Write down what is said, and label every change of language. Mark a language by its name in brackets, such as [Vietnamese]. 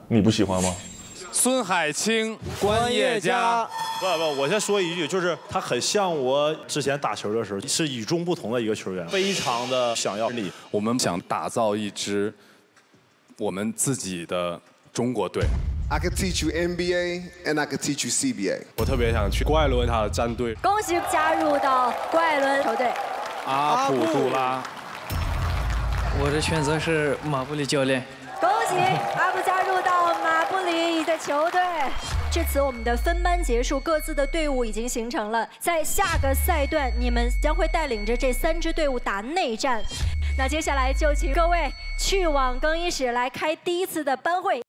[Chinese] 你不喜欢吗？孙海清、关叶佳。不，我先说一句，就是他很像我之前打球的时候，是与众不同的一个球员，非常的想要你。我们想打造一支我们自己的中国队。 [English] I can teach you NBA and I can teach you CBA。 [Chinese] 我特别想去郭艾伦他的战队。恭喜加入到郭艾伦球队。阿普杜拉。我的选择是马布里教练。恭喜阿布加入到马布里的球队。至此我们的分班结束，各自的队伍已经形成了，在下个赛段你们将会带领着这三支队伍打内战，那接下来就请各位去往更衣室来开第一次的班会。